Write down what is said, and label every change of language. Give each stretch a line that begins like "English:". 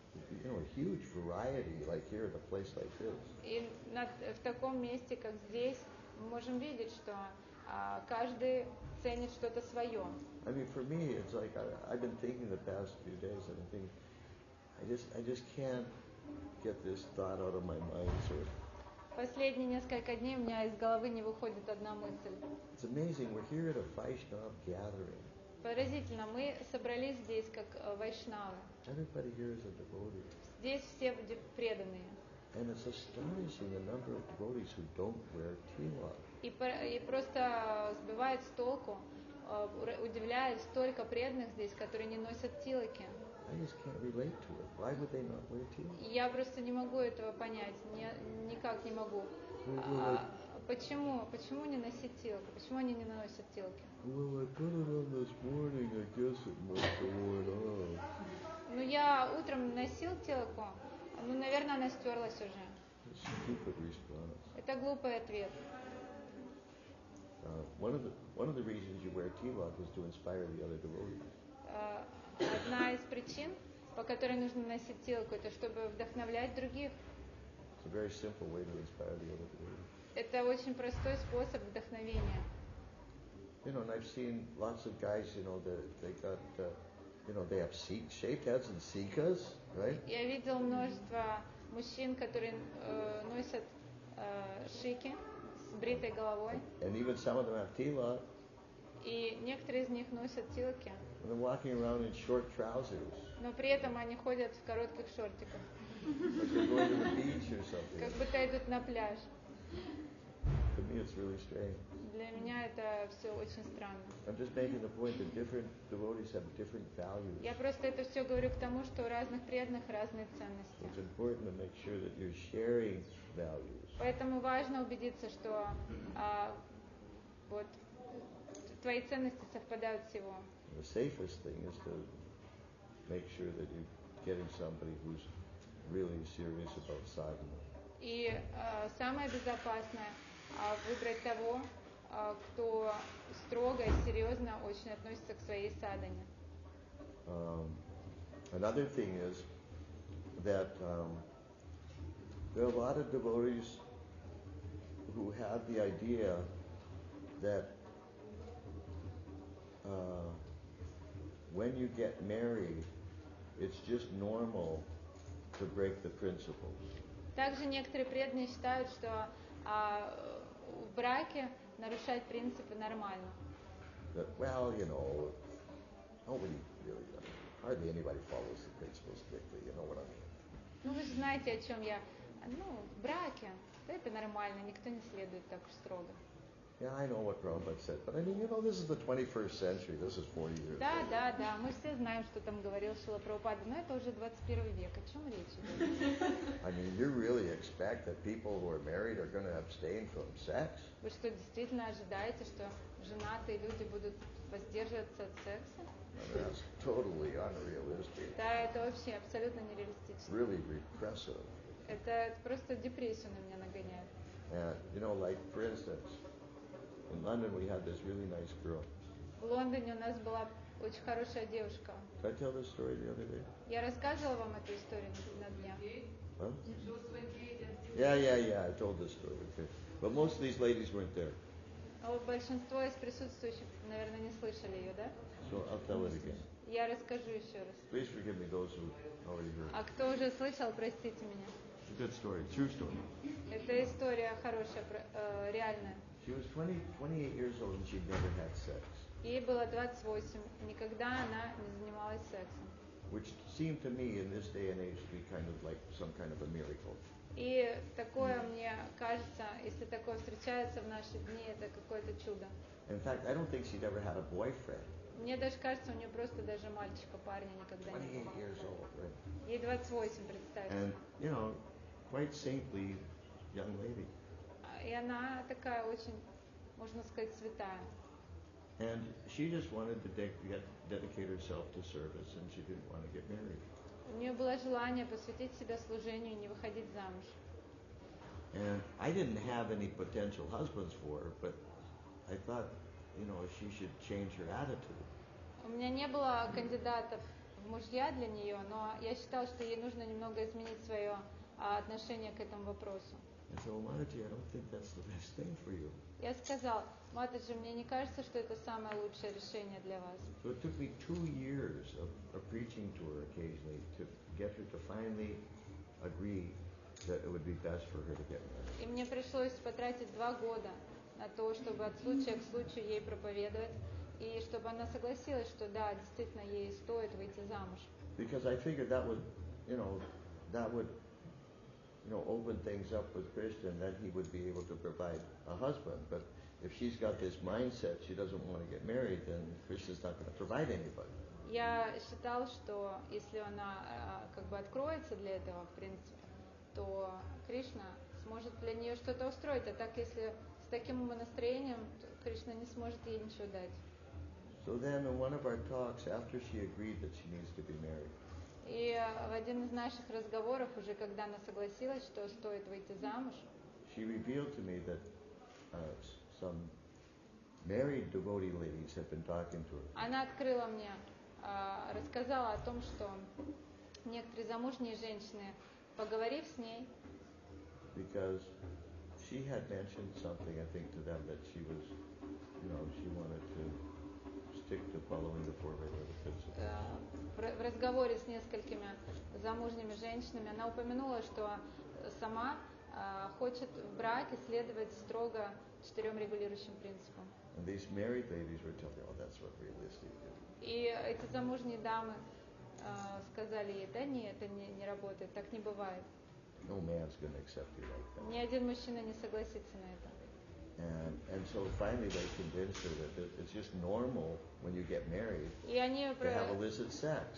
English: You know, a huge variety, like here in a place like this.
Russian: И в таком месте, как здесь, мы можем видеть, что каждый ценит что-то свое.
English: I mean, for me, it's like I've been thinking the past few days, and I think I just can't get this thought out of my mind.
Russian: Последние несколько дней у меня из головы не выходит одна мысль.
English: It's amazing. We're here at a Vaishnava gathering.
Russian: Поразительно, мы собрались здесь как вайшнавы.
English: Everybody here is a devotee.
Russian: Здесь все преданные.
English: And it's astonishing the number of devotees who don't wear tilak.
Russian: И просто сбивает с толку, удивляет столько преданных здесь, которые не носят тилаки.
English: I just can't relate to it. Why would they not wear tilak?
Russian: Я просто не могу этого понять, никак не могу. Почему не носить тилки? Почему они не наносят тилки?
English: Well, I put it on this morning, I guess it must have worn off.
Russian: Ну, я утром носил тилку, ну, наверное, она стерлась уже.
English: Stupid response.
Russian: Это глупый ответ.
English: One of the reasons you wear tilak is to inspire the other devotees.
Russian: одна из причин, по которой нужно носить тилку, это чтобы вдохновлять других.
English: It's a very simple way to inspire the other people.
Russian: Это очень простой способ вдохновения.
English: You know, and I've seen lots of guys, you know, they got, you know, they have shaved heads and sikhas, right?
Russian: Я видел множество мужчин, которые носят шики с бритой головой.
English: And even some of them have tila.
Russian: И некоторые из них носят тилки.
English: And they're walking around in short trousers.
Russian: Но при этом они ходят в коротких шортиках.
English: Like they're going to the beach or something.
Russian: Как будто идут на пляж.
English: For me, it's really strange.
Russian: Для меня это все очень странно.
English: I'm just making the point that different devotees have different values.
Russian: Я просто это все говорю к тому, что у разных преданных разные ценности.
English: It's important to make sure that you're sharing values.
Russian: Поэтому важно убедиться, что вот твои ценности совпадают с его.
English: The safest thing is to make sure that you're getting somebody who's really serious about sadhana.
Russian: И самое безопасное выбрать того, кто строго и серьезно очень относится к своей садхане.
English: Another thing is that there are a lot of devotees who have the idea that when you get married, it's just normal to break the principles.
Russian: Также некоторые преданные считают, что в браке нарушать принципы нормально.
English: That, well, you know, nobody really, hardly anybody follows the principles strictly, you know what I mean.
Russian: Ну, вы же знаете, о чем я. Ну, в браке, да, это нормально, никто не следует так уж строго.
English: Yeah, I know what Prabhupada said, but I mean, you know, this is the 21st century, this is 40 years
Russian: Да,
English: ago.
Russian: Да, да, мы все знаем, что там говорил Шрила Прабхупада, но это уже 21 век, о чем речь идет?
English: I mean, you really expect that people who are married are going to abstain from sex?
Russian: Вы что, действительно ожидаете, что женатые люди будут воздерживаться от секса?
English: That's totally unrealistic.
Russian: Да, это вообще абсолютно нереалистично.
English: Really repressive.
Russian: Это просто депрессию на меня нагоняет.
English: You know, like, for instance, in London we had this really nice girl.
Russian: В Лондоне у нас была очень хорошая девушка.
English: Did I tell this story the other day?
Russian: Я рассказывала вам эту историю на днях.
English: Huh? Yeah, I told this story, okay. But most of these ladies weren't there.
Russian: Большинство из присутствующих, наверное, не слышали ее, да?
English: So I'll tell it again.
Russian: Я расскажу еще раз.
English: Please forgive me those who already heard.
Russian: А кто уже слышал, простите меня.
English: It's a good story, true story.
Russian: Это история хорошая, реальная.
English: She was 28 years old and she'd never had sex.
Russian: Ей было 28, никогда она не занималась сексом.
English: Which seemed to me in this day and age to be kind of like some kind of a miracle.
Russian: И такое мне кажется, если такое встречается в наши дни, это какое-то чудо.
English: In fact, I don't think she'd ever had a boyfriend.
Russian: Мне даже кажется, у нее просто даже мальчика, парня никогда не было.
English: 28 years old, right?
Russian: Ей 28, представьте.
English: And, you know, quite saintly young lady.
Russian: И она такая очень, можно сказать, святая.
English: And she just wanted to dedicate herself to service, and she didn't want to get married.
Russian: У нее было желание посвятить себя служению и не выходить замуж.
English: And I didn't have any potential husbands for her, but I thought, you know, she should change her attitude.
Russian: У меня не было кандидатов в мужья для нее, но я считал, что ей нужно немного изменить свое отношение к этому вопросу.
English: I said, well, Mataji, I don't think that's the best thing for you.
Russian: Я сказал, Матаджи, мне не кажется, что это самое лучшее решение для вас.
English: So it took me 2 years of preaching to her occasionally to get her to finally agree that it would be best for her to get married.
Russian: И мне пришлось потратить 2 года на то, чтобы от случая к случаю ей проповедовать, и чтобы она согласилась, что да, действительно, ей стоит выйти замуж.
English: Because I figured that would open things up with Krishna, and that he would be able to provide a husband. But if she's got this mindset, she doesn't want to get married, then Krishna's not going to provide anybody.
Russian: Я считал, что если она как бы откроется для этого, в принципе, то Кришна сможет для нее что-то устроить. А так, если с таким настроением, Кришна не сможет ей ничего дать.
English: So then, in one of our talks, after she agreed that she needs to be married.
Russian: И в один из наших разговоров, уже когда она согласилась, что стоит выйти замуж,
English: she revealed to me that some married devotee ladies have been talking to her.
Russian: Она открыла мне, рассказала о том, что некоторые замужние женщины, поговорив с ней,
English: because she had mentioned something, I think, to them that she was, you know, she wanted to stick to following the four Vedic principles.
Russian: В разговоре с несколькими замужними женщинами она упомянула, что сама хочет в браке следовать строго четырем регулирующим принципам.
English: And these married ladies were telling her, "Oh, that's what really stupid."
Russian: И эти замужние дамы сказали ей, да нет, это не работает, так не бывает.
English: No man's gonna accept you like that.
Russian: Ни один мужчина не согласится на это.
English: And so finally they convinced her that it's just normal when you get married to have illicit sex.